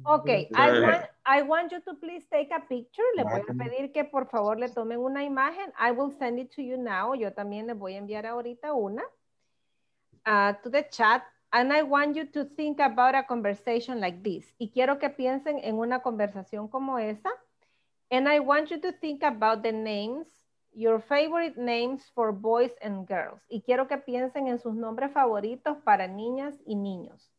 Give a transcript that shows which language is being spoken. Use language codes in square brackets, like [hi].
[en] Ok, I want you to please take a picture. [es] Le voy a pedir que por favor le tomen una imagen. [en] I will send it to you now. [es] Yo también le voy a enviar ahorita una [en] to the chat. And I want you to think about a conversation like this. [es] Y quiero que piensen en una conversación como esa. [en] And I want you to think about the names, your favorite names for boys and girls. [es] Y quiero que piensen en sus nombres favoritos para niñas y niños.